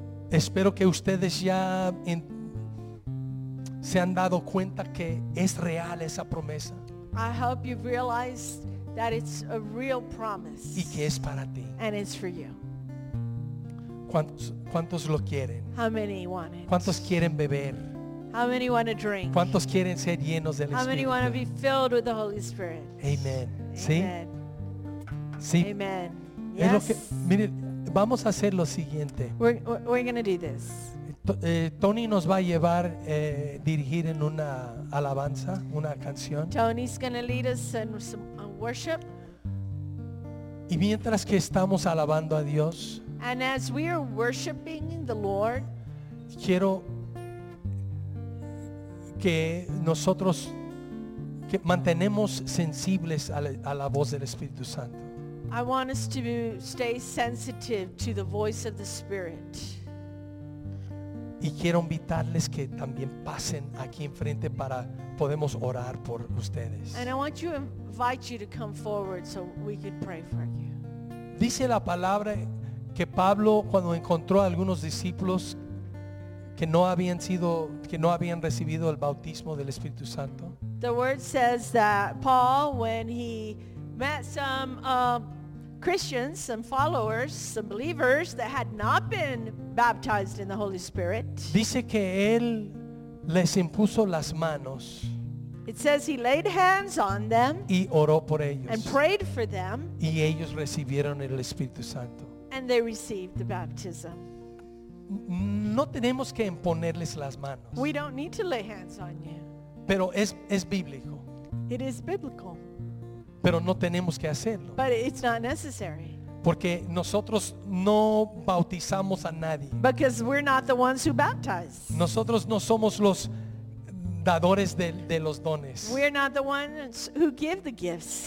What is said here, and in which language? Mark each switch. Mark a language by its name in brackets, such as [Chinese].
[Spanish] Espero que ustedes ya se han dado cuenta que es real esa promesa. [English] I hope you've realized that it's a real promise. [Spanish] Y que es para ti. [English] And it's for you. [Spanish] ¿Cuántos lo quieren? [English] How many want it? [Spanish] ¿Cuántos quieren beber? [English] How many want to drink? [Spanish] ¿Cuántos quieren ser llenos del [English] Espíritu? How many want to be filled with the Holy Spirit? [Spanish] Amen. ¿Sí? [English] Amen. [Spanish] Sí. [English] Amen. Yes. [Spanish] Es lo que, mire, vamos a hacer lo siguiente. [English] We're going to do this. [Spanish] Tony nos va a llevar dirigir en una alabanza, una canción. [English] Tony's going to lead us in some worship. [Spanish] Y mientras que estamos alabando a Dios, [English] and as we are worshiping the Lord, [Spanish] quiero que nosotros que mantenemos sensibles a la voz del Espíritu Santo. [English] I want us to stay sensitive to the voice of the Spirit. [Spanish] Y quiero invitarles que también pasen aquí enfrente para podemos orar por ustedes. [English] And I want to invite you to come forward so we could pray for you. [Spanish] Dice la palabra que Pablo cuando encontró a algunos discípulos que no habían sido, que no habían recibido el bautismo del Espíritu Santo. [English] The word says that Paul, when he met some Christians, some followers, some believers that had not been baptized in the Holy Spirit. [Spanish] Dice que él les impuso las manos. [English] It says he laid hands on them. [Spanish] Y oró por ellos. [English] And prayed for them. [Spanish] Y ellos recibieron el Espíritu Santo. [English] And they received the baptism. [Spanish] No tenemos que imponerles las manos. [English] We don't need to lay hands on you. [Spanish] Pero es bíblico. [English] It is biblical. [Spanish] Pero no tenemos que hacerlo. [English] But it's not necessary. [Spanish] Porque nosotros no bautizamos a nadie. [English] Because we're not the ones who baptize. [Spanish] Nosotros no somos los dadores de los dones. [English] We're not the ones who give the gifts.